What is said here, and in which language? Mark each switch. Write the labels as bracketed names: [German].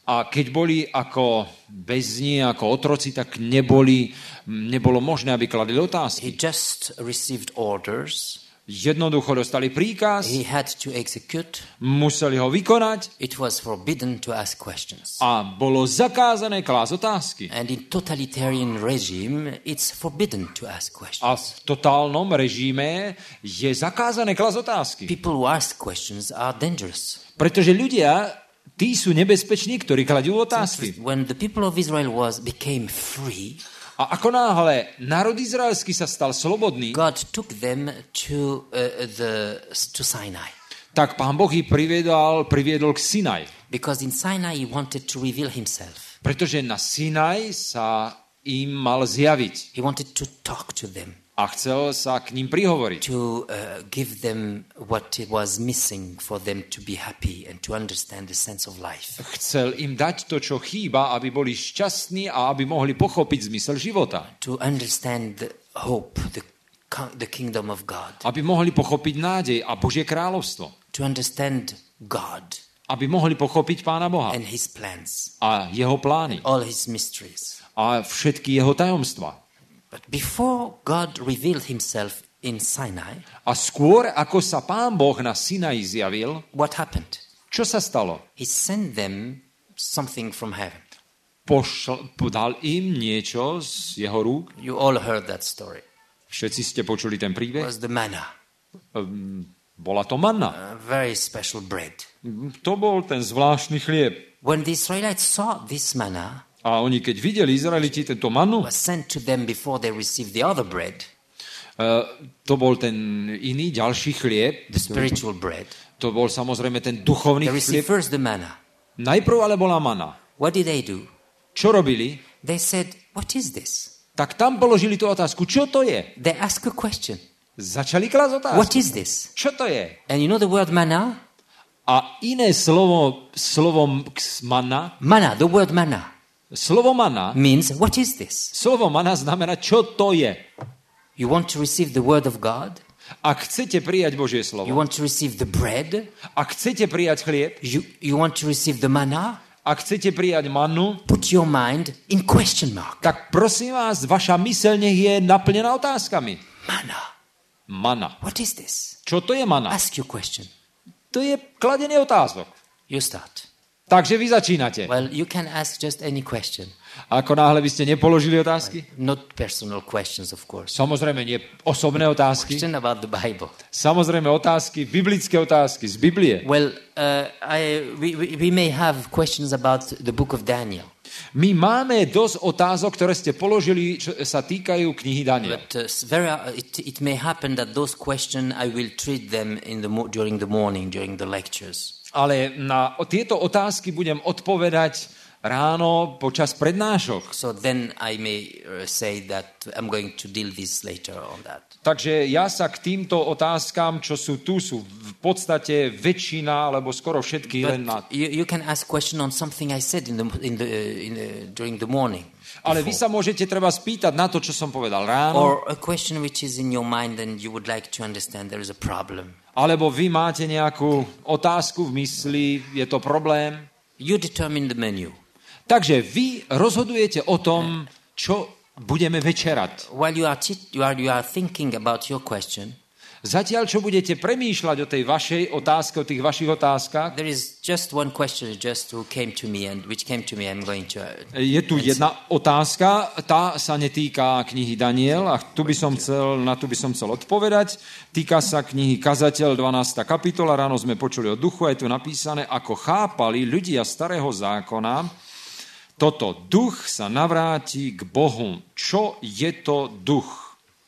[Slovak] A keď boli ako bezni, ako otroci, tak nebolo možné, aby kladli otázky. [English] He just received orders. [Slovak] Jednoducho dostali príkaz. [English] He had to execute. [Slovak] Museli ho vykonať. [English] It was forbidden to ask questions. [Slovak] A bolo zakázané klásť otázky. [English] And in totalitarian regime, it's forbidden to ask questions. [Slovak] A v totálnom režime je zakázané klásť otázky. [English] People who ask questions are dangerous. [Slovak] Pretože ľudia, tí sú nebezpeční, ktorí kladú otázky. [English] When the people of Israel became free, [Slovak] a ako náhle národ izraelský sa stal slobodný, [English] God took them to Sinai. [Slovak] Tak Pán Boh ich priviedol k Sinai. [English] Because in Sinai he wanted to reveal himself. [Slovak] Pretože na Sinai sa im mal zjaviť. [English] He wanted to talk to them. [Slovak] A chcel sa k ním prihovoriť. [English] To give them what it was missing for them to be happy and to understand the sense of life. [Slovak] Chcel im dať to, čo chýba, aby boli šťastní a aby mohli pochopiť zmysel života. [English] To understand the hope, the kingdom of God. [Slovak] Aby mohli pochopiť nádej a Božie kráľovstvo. [English] To understand God. [Slovak] Aby mohli pochopiť Pána Boha. [English] And his plans. [Slovak] A jeho plány. [English] All his mysteries. [Slovak] A všetky jeho tajomstvá. [English] But before God revealed himself in Sinai, [Slovak] a skôr ako sa Pán Boh na Sinai zjavil, [English] what happened? [Slovak] Čo sa stalo? [English] He sent them something from heaven. [Slovak] Podal im niečo z jeho rúk. [English] You all heard that story. [Slovak] Všetci ste počuli ten príbeh. [English] It was the manna. [Slovak] Bola to manna. [English] A very special bread. [Slovak] To bol ten zvláštny chlieb. [English] When the Israelites saw this manna, [Slovak] a oni keď videli Izraeliti tento manu, [English] was sent to them before they received the other bread. [Slovak] To bol ten iný ďalší chlieb, [English] the spiritual bread. [Slovak] To bol samozrejme ten duchovný [English] chlieb. They received first the manna. [Slovak] Najprv ale bola mana. [English] What did they do? [Slovak] Čo robili? [English] They said, what is this? [Slovak] Tak tam položili tú otázku, čo to je? [English] They ask a question. [Slovak] Začali klásť otázku. [English] What is this? [Slovak] Čo to je? [English] And you know the word manna? [Slovak] A iné slovo manna. [English] Manna, the word manna. [Slovak] Slovo mana [English] means what is this? [Slovak] Slovo mana znamená čo to je. [English] You want to receive the word of God? [Slovak] Ak chcete prijať Božie slovo. [English] You want to receive the bread? [Slovak] Ak chcete prijať chlieb? [English] You want to receive the manna? [Slovak] Ak chcete prijať manu? [English] Put your mind in question mark. [Slovak] Tak prosím vás, vaša myseľ nech je naplnená otázkami. [English] Mana. [Slovak] Mana. [English] What is this? [Slovak] Čo to je mana? [English] Ask your question. [Slovak] To je kladenie otázok. [English] You start. [Slovak] Takže vy začínate. [English] Well, you can ask just any question. [Slovak] Ako náhle by ste nepoložili otázky? [English] Not personal questions, of course. [Slovak] Samozrejme, nie osobné otázky. [English] Question about the Bible. [Slovak] Samozrejme, otázky, biblické otázky z Biblie. [English] Well, we may have questions about the book of Daniel. [Slovak] My máme dosť otázok, ktoré ste položili, čo sa týkajú knihy Daniel. [English] But it may happen that those questions I will treat them in the during the morning, during the lectures. [Slovak] Ale na tieto otázky budem odpovedať ráno počas prednášok. [English] So then I may say that I'm going to deal this later on that. [Slovak] Takže ja sa k týmto otázkam, čo sú tu, sú v podstate väčšina alebo skoro všetky len na. [English] You can ask question on something I said in the during the morning. [Slovak] Ale vy sa môžete treba spýtať na to, čo som povedal ráno. [English] Or a question which is in your mind and you would like to understand there is a problem. [Slovak] Alebo vy máte nejakú otázku v mysli, je to problém? [English] You determine the menu. [Slovak] Takže vy rozhodujete o tom, čo budeme večerať. [English] While you are thinking about your question. [Slovak] Zatiaľ čo budete premýšľať o tej vašej otázke, o tých vašich otázkach? [English] There is just one question just who came to me and which came to me I'm going to. [Slovak] Je tu jedna otázka, tá sa netýka knihy Daniel, a tu by som chcel odpovedať. Týka sa knihy Kazateľ 12. kapitola. Ráno sme počuli o duchu, a je tu napísané, ako chápali ľudia starého zákona Toto duch sa navráti k Bohu. Čo je to duch?